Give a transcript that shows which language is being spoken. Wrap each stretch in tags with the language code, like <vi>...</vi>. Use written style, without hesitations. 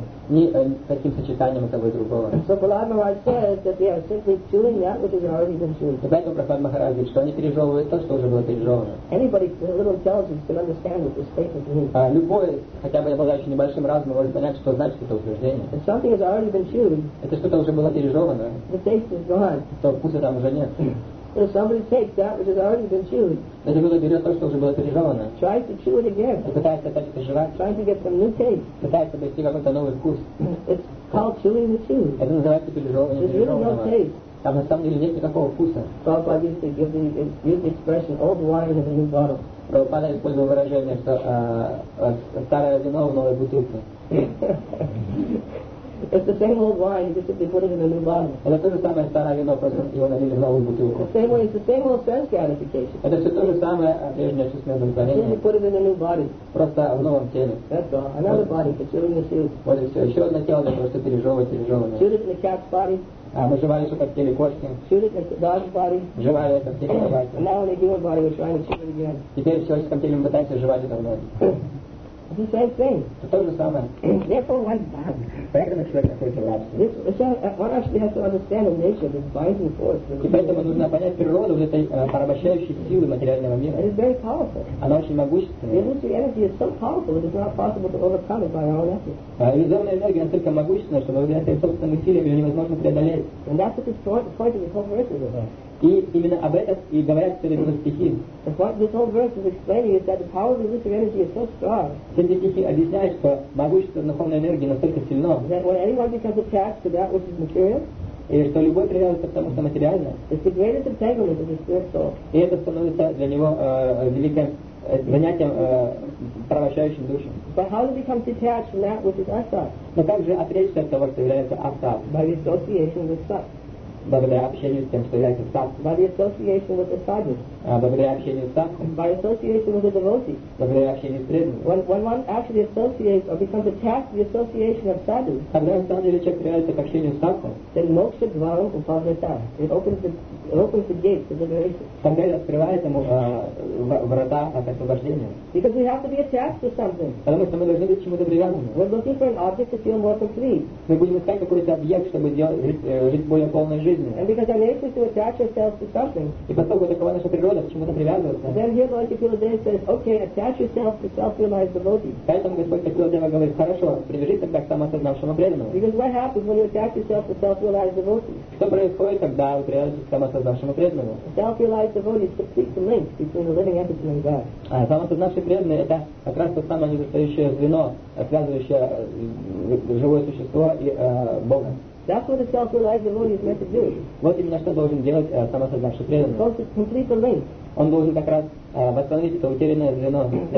<ru>не таким сочетанием того и другого.</ru> <en>So Prahlad Maharaj says that they are simply chewing that which has already been chewed.</en> <ru>Поэтому Прахлад Махарадж говорит, что они пережевывают то, что уже было пережевано.</ru> <en>Anybody with a little intelligence can understand what this statement means.</en> <ru>Любой, хотя бы обладающий небольшим разумом, может понять, что значит это утверждение.</ru> <en>If something has already been chewed,</en> <ru>это что-то уже было пережевано.</ru> <en>The taste is gone.</en> <ru>То вкуса там уже нет.</ru> <en>If somebody takes that which has already been chewed,</en> <ru>это было берет то, что уже было пережевано.</ru> <en>Tries to chew it again.</en> <ru>И пытается опять пережевать.</ru> <en>Trying to get some new taste.</en> <ru>Пытается обрести какой-то новый вкус.</ru> <en>It's called chewing the chewed.</en> <ru>Это называется пережевывание.</ru> <en>There's really no taste.</en> <ru>Там на самом деле нет никакого вкуса.</ru> <en>Prabhupada used to give the, expression old wine in a new bottle.</en> <ru>Prabhupada использовал выражение, что старое вино в новой бутылке.</ru> <en>It's the same old wine, just that they put it in a new bottle.</en> <ru>Это то же самое старое вино, просто его налили в новую бутылку.</ru> <en>Same way, it's the same old sense gratification.</en> <ru>Это все то же самое прежнее чувственное удовлетворение.</ru> <en>They put it in a new body.</en> <ru>Просто в новом теле.</ru> <en>That's all. Another вот. Body, for chewing the shoes.</en> <ru>Вот и все. Еще одно тело для того, чтобы пережевывать пережеванное.</ru> <en>Chewed it in a cat's body.</en> <ru>Мы жевали что-то в теле кошки.</ru> <en>Chewed it in a dog's body.</en> <ru>Жевали это в теле собаки.</ru> <en>And now in a human body, we're trying to chew it again.</en> <ru>Теперь в человеческом теле мы пытаемся жевать это вновь.</ru> <en>The same thing.</en> <ru>То же самое.</ru> <en>Therefore, one does. One actually has to understand the nature of this binding force.</en> <ru>И поэтому нужно понять природу этой порабощающей силы материального мира.</ru> <en>It is very powerful.</en> <ru>Она очень могущественная.</ru> <en>Illusory energy is so powerful that it is not possible to overcome it by our own efforts.</en> <ru>Иллюзорная энергия настолько могущественная, что благодаря своим собственным усилиям ее невозможно преодолеть.</ru> <en>And that's what this point of this whole verse is about.</en> <ru>И именно об этом и говорят все эти стихи.</ru> <en>The point this whole verse is explaining is that the power of the illusory energy is so strong.</en> <ru>Все эти стихи объясняют, что могущество духовной энергии настолько сильно.</ru> <en>That when anyone becomes attached to that which is material.</en> <ru>И что любой привязывается к тому, что материально.</ru> <en>It's the greatest entanglement of the spirit soul.</en> <ru>И это становится для него великим занятием порабощающим душу.</ru> <en>But how to become detached from that which is asat?</en> <ru>Но как же отречься от того, что является асат?</ru> <en>By association with sat.</en> <ru>Благодаря общению с тем, что является садху.</ru> <en>By the association with the sadhu.</en> <ru>Благодаря общению с садху.</ru> <en>By association with the devotee.</en> <ru>Благодаря общению с преданным.</ru> <en>When one actually associates or becomes attached to the association of sadhu.</en> <ru>Когда на самом деле человек привязывается к общению с садху.</ru> <en>Then</en> <sa>moksha dvaram upavrata.</sa> <en>It opens the gate to liberation.</en> <ru>Тогда это открывает ему врата от освобождения.</ru> <en>Because we have to be attached to something.</en> <ru>Потому что мы должны быть чему-то привязаны.</ru> <en>We're looking for an object to feel more complete.</en> <ru>Мы будем искать какой-то объект, чтобы жить более полной жизнью.</ru> <en>And because our nature is to attach ourselves to something,</en> <ru>и поскольку такова наша природа, к чему-то привязываться.</ru> <en>Then here Lord Kapiladeva says, okay, attach yourself to self-realized devotee.</en> <ru>Поэтому Господь Капиладева говорит, хорошо, привяжись тогда к самосознавшему преданному.</ru> <en>Because what happens when you attach yourself to self-realized devotee?</en> <ru>Что происходит, когда вы привязываетесь к самосознавшему преданному?</ru> <en>Self-realized devotee is complete the link between the living entity and God.</en> <ru>Самосознавший преданный — это как раз то самое недостающее звено, связывающее живое существо и Бога.</ru> <en>That's what a self-realized devotee is meant to do.</en> <ru>Вот именно что должен делать самосознавший преданный.</ru> <en>He's supposed to complete the link.</en> <ru>Он должен как раз восстановить это утерянное звено.</ru>